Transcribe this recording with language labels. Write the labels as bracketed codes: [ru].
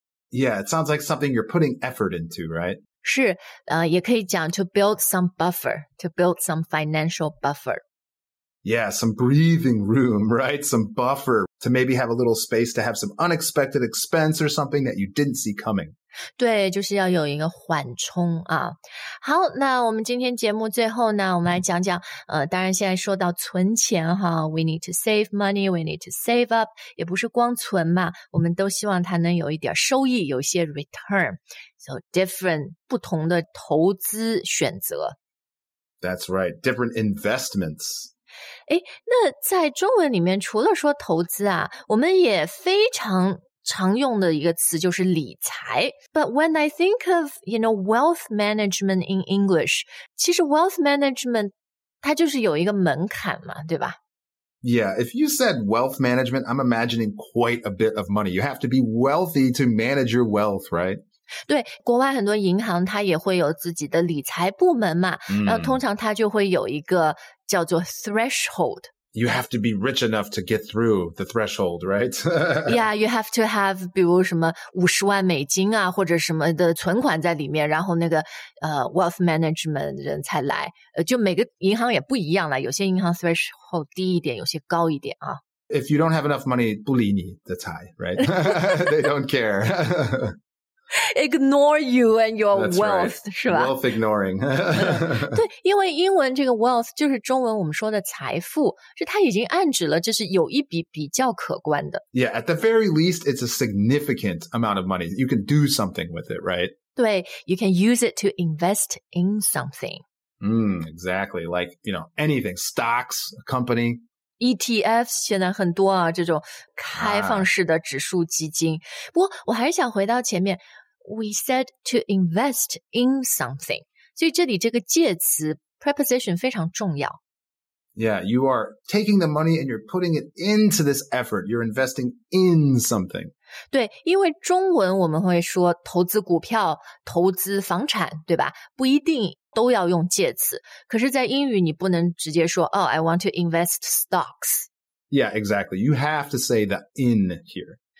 [en] Yeah, it sounds like something you're putting effort into, right? [zh] 是，也可以讲 [en] to build some buffer, to build some financial buffer. Yeah, some breathing room, right? Some buffer to maybe have a little space to have some unexpected expense or something that you didn't see coming. [zh] 对，就是要有一个缓冲啊。好，那我们今天节目最后呢，我们来讲讲，当然现在说到存钱哈 ， [en] we need to save money, we need to save up， [zh] 也不是光存嘛，我们都希望它能有一点收益，有一些 return。 [en] So different [zh] 不同的投资选择。 [en] That's right, different investments. [zh] 哎，那在中文里面除了说投资啊，我们也非常常用的一个词就是理财。 [en] But when I think of, you know, wealth management in English, [zh] 其实 [en] wealth management [zh] 它就是有一个门槛嘛，对吧？ [en] Yeah, if you said wealth management, I'm imagining quite a bit of money. You have to be wealthy to manage your wealth, right? [zh] 对，国外很多银行它也会有自己的理财部门嘛、mm. 然后通常它就会有一个叫做 threshold. [en] You have to be rich enough to get through the threshold, right? Yeah, you have to have [zh] 比如什么50万美金啊或者什么的存款在里面，然后那个wealth management 人才来。就每个银行也不一样啦，有些银行 threshold 低一点，有些高一点啊。 [en] If you don't have enough money, [zh] 不理你 [en] the Thai, right? They don't care. Ignore you and your wealth, right. [zh] 是吧 [en] ?Wealth ignoring. [zh] 对，因为英文这个 wealth 就是中文我们说的财富，是它已经暗指了就是有一笔比较可观的。 [en] Yeah, at the very least, it's a significant amount of money. You can do something with it, right? [zh] 对 [en] ,you can use it to invest in something. Exactly, like, you know, anything, stocks, a company. [zh] ETFs 现在很多啊，这种开放式的指数基金。不过我还是想回到前面 ， [en] we said to invest in something， [zh] 所以这里这个介词 preposition 非常重要。 [en] Yeah, you are taking the money and you're putting it into this effort. You're investing in something. [zh] 对，因为中文我们会说投资股票、投资房产，对吧？不一定。都要用介词，可是在英语你不能直接说 [en] Oh, I want to invest stocks. Yeah, exactly. You have to say the in here.